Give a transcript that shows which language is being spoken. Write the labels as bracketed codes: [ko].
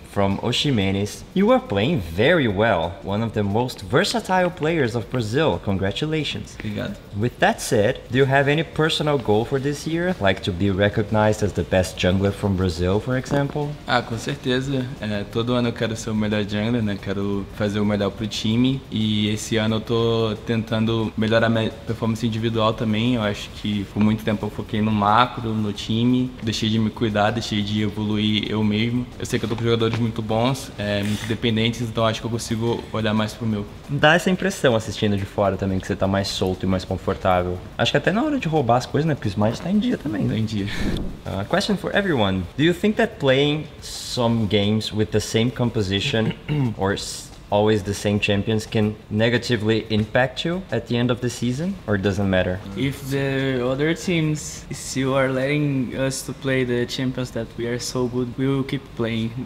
[en] From Oshimenes, you are playing very well, one of the most versatile players of Brazil. Congratulations. [pt] Obrigado. [en] With that said, do you have any personal goal for this year? Like to be recognized as the best jungler from Brazil, for example? [pt] Ah, com certeza. Todo ano eu quero ser o melhor jungler, né? Quero fazer o melhor pro time. E esse ano eu tô tentando melhorar minha performance individual também. Eu acho que por muito tempo eu foquei no macro, no time. Deixei de me cuidar, deixei de evoluir eu mesmo. Eu sei que eu tô com jogadores muito bons, muito dependentes, então acho que eu consigo olhar mais pro meu. Dá essa impressão assistindo de fora também, que você tá mais solto e mais confortável. Acho que até na hora de roubar as coisas, né? Porque o Smite tá em dia também. Tá em dia. [en] Question for everyone. Do you think that playing some games with the same composition or always the same champions can negatively impact you at the end of the season, or doesn't matter? If the other teams still are letting us to play the champions that we are so good, we will keep playing.